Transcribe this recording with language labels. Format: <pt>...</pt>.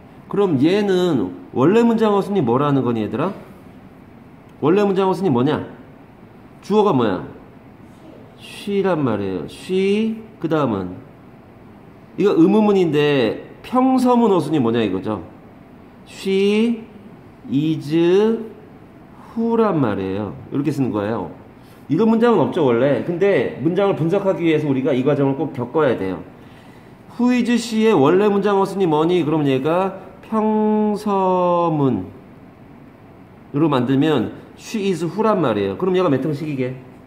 <ko>그럼 얘는 원래 문장어 순이 뭐라는 거니 얘들아? 원래 문장어 순이 뭐냐? 주어가 뭐야? She란 말이에요. She, 그 다음은? 이거 의문문인데 평서문 어순이 뭐냐 이거죠?</ko> <en>She is who란</en> <ko>말이에요. 이렇게 쓰는 거예요. 이런 문장은 없죠 원래. 근데 문장을 분석하기 위해서 우리가 이 과정을 꼭 겪어야 돼요.</ko> <en>Who is she</en> <ko>의 원래 문장 어순이 뭐니? 그러면 얘가 평서문으로 만들면</ko> <en>she is who</en> <ko>란 말이에요. 그럼 얘가 몇 형식이게?</ko>